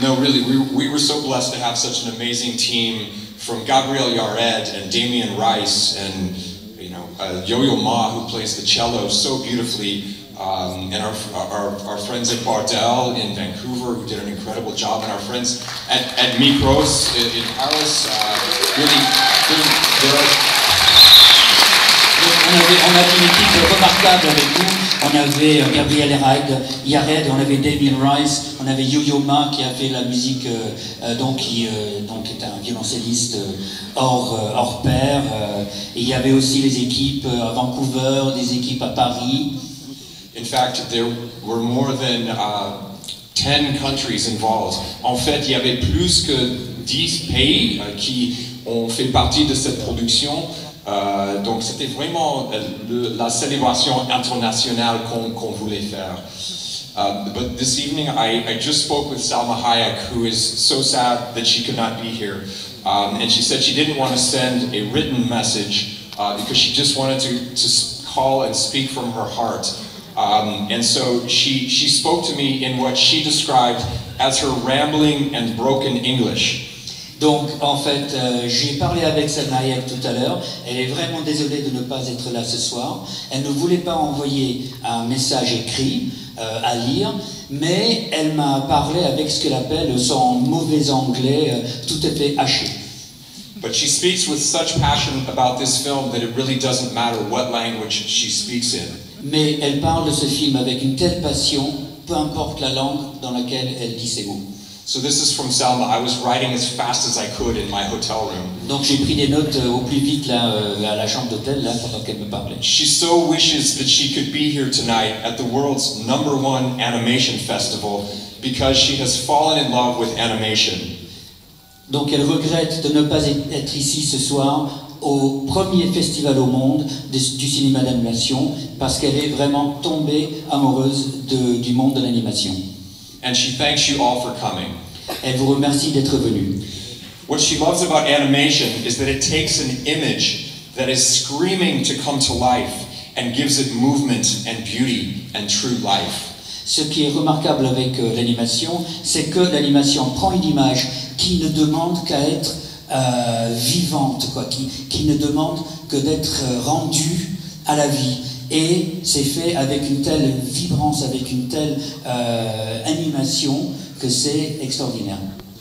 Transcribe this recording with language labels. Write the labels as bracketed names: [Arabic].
[English] No, really, we were so blessed to have such an amazing team from Gabriel Yared and Damien Rice and, you know, Yo-Yo Ma, who plays the cello so beautifully, and our friends at Bardell in Vancouver, who did an incredible job, and our friends at Micros in Paris, really. [French] On avait une équipe remarquable avec nous. On avait Gabriel Yared, on avait Damien Rice, on avait Yo-Yo Ma qui a fait la musique, donc est un violoncelliste hors pair. Et il y avait aussi les équipes à Vancouver, des équipes à Paris. [English] In fact, there were more than 10 countries involved. [French] En fait, il y avait plus que 10 pays qui on fait partie de cette production, donc c'était vraiment la célébration internationale qu'on voulait faire. [English] But this evening, I just spoke with Salma Hayek, who is so sad that she could not be here. And she said she didn't want to send a written message because she just wanted to call and speak from her heart. And so she spoke to me in what she described as her rambling and broken English. [French] Donc, en fait, j'ai parlé avec Salma Hayek tout à l'heure. Elle est vraiment désolée de ne pas être là ce soir. Elle ne voulait pas envoyer un message écrit à lire, mais elle m'a parlé avec ce qu'elle appelle son mauvais anglais tout à fait haché. [English] But she speaks with such passion about this film that it really doesn't matter what language she speaks in. [French] Mais elle parle de ce film avec une telle passion, peu importe la langue dans laquelle elle dit ses mots. [English] So this is from Salma. I was writing as fast as I could in my hotel room. [French] Donc j'ai pris des notes au plus vite là à la chambre d'hôtel là pendant qu'elle me parlait. [English] She so wishes that she could be here tonight at the world's number one animation festival because she has fallen in love with animation. [French] Donc elle regrette de ne pas être ici ce soir au premier festival au monde du cinéma d'animation parce qu'elle est vraiment tombée amoureuse du monde de l'animation. [English] And she thanks you all for coming. [French] Elle vous remercie d'être venu. [English] What she loves about animation is that it takes an image that is screaming to come to life and gives it movement and beauty and true life. [French] Ce qui est remarquable avec l'animation, c'est que l'animation prend une image qui ne demande qu'à être vivante, quoi, qui ne demande que d'être rendue à la vie. Et c'est fait avec une telle vibrance, avec une telle animation, que c'est extraordinaire.